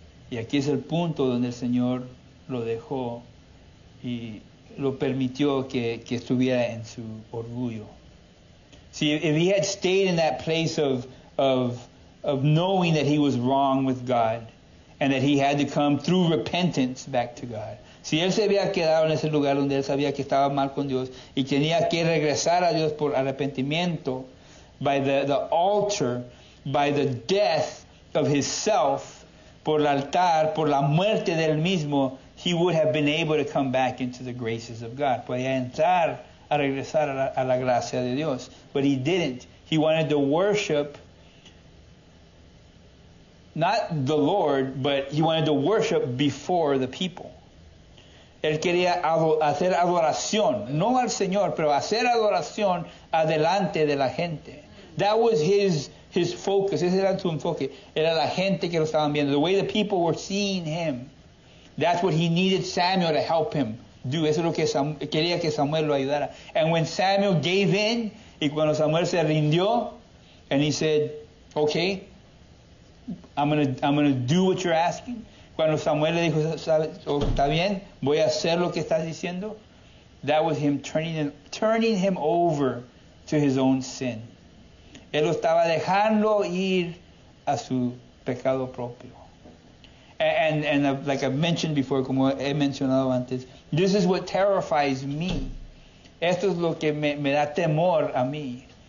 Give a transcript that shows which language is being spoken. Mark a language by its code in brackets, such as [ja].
[es] Y aquí es el punto donde el Señor lo dejó y lo permitió que estuviera en su orgullo. [en] See, if he had stayed in that place of knowing that he was wrong with God and that he had to come through repentance back to God. [es] Si él se había quedado en ese lugar donde él sabía que estaba mal con Dios y tenía que regresar a Dios por arrepentimiento, [en] by the altar, by the death of himself, [es] por el altar, por la muerte del mismo, [en] he would have been able to come back into the graces of God. [es] Podía entrar a regresar a la gracia de Dios. [en] But he didn't. He wanted to worship not the Lord, but he wanted to worship before the people. [es] Él quería hacer adoración, no al Señor, pero hacer adoración adelante de la gente. [en] That was his focus. [es] Ese era su enfoque. Era la gente que lo estaban viendo. [en] The way the people were seeing him. That's what he needed Samuel to help him do. [es] Eso es lo que quería que Samuel lo ayudara. [en] And when Samuel gave in, [es] y cuando Samuel se rindió, [en] and he said, okay, I'm gonna do what you're asking. [es] Cuando Samuel le dijo, está bien, voy a hacer lo que estás diciendo. [en] That was him turning him over to his own sin. [es] Él lo estaba dejando ir a su pecado propio. [en] And like I've mentioned before, [es] como he mencionado antes, [en] this is what terrifies me. [es] Esto es lo que me da temor a mí.